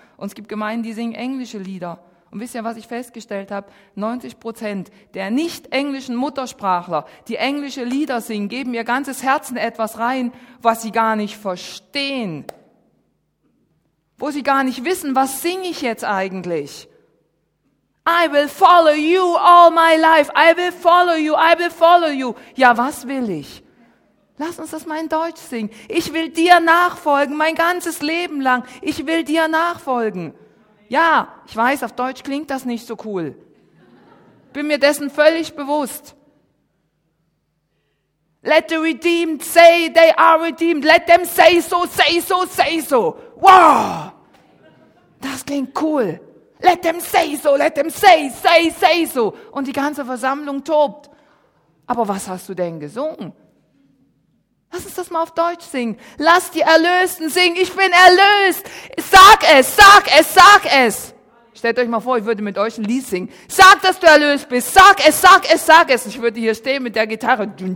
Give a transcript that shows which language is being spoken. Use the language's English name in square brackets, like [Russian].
[German] Und es gibt Gemeinden, die singen englische Lieder. Und wisst ihr, was ich festgestellt habe? 90% der nicht englischen Muttersprachler, die englische Lieder singen, geben ihr ganzes Herzen etwas rein, was sie gar nicht verstehen. Wo sie gar nicht wissen, was singe ich jetzt eigentlich? [English] I will follow you all my life. I will follow you. I will follow you. [German] Ja, was will ich? Lass uns das mal in Deutsch singen. Ich will dir nachfolgen, mein ganzes Leben lang. Ich will dir nachfolgen. Ja, ich weiß, auf Deutsch klingt das nicht so cool. Bin mir dessen völlig bewusst. [English] Let the redeemed say they are redeemed. Let them say so, say so, say so. Wow! [German] Das klingt cool. [English] Let them say so, let them say, say, say so. [German] Und die ganze Versammlung tobt. Aber was hast du denn gesungen? Lass uns das mal auf Deutsch singen. Lass die Erlösten singen. Ich bin erlöst. Sag es, sag es, sag es. Stellt euch mal vor, ich würde mit euch ein Lied singen. Sag, dass du erlöst bist. Sag es, sag es, sag es. Ich würde hier stehen mit der Gitarre.